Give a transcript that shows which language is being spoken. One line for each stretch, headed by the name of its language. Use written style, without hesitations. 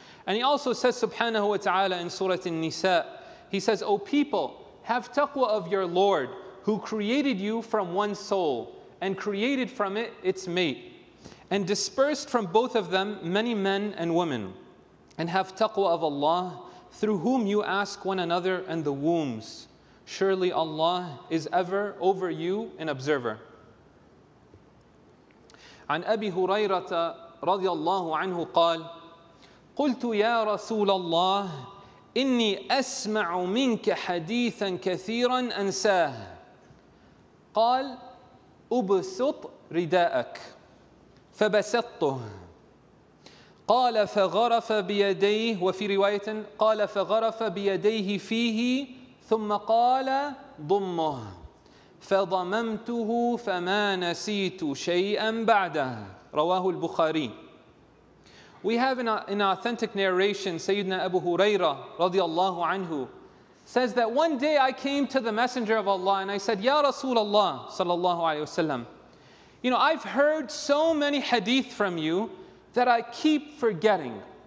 English: And He also says subhanahu wa ta'ala in Surah An-Nisa, He says, O people, have taqwa of your Lord who created you from one soul and created from it its mate, and dispersed from both of them many men and women, and have taqwa of Allah through whom you ask one another and the wombs. Surely Allah is ever over you an observer.
Arabic: عن أبي هريرة رضي الله عنه قال: قلت يا رسول الله إني أسمع منك حديثا كثيرا أنساه. قال: أبسط رداءك. فبسطته. قال: فغرف بيديه، وفي رواية قال: فغرف بيديه فيه، ثم قال: ضمه، فضممته فما نسيت شيئا بعده. رواه البخاري.
English: We have an authentic narration. Sayyidina Abu Huraira
Arabic: رضي الله عنه
English: says that one day I came to the Messenger of Allah and I said, Ya Rasulullah
Arabic: صلى الله عليه وسلم,
English: you know, I've heard so many hadith from you that I keep forgetting.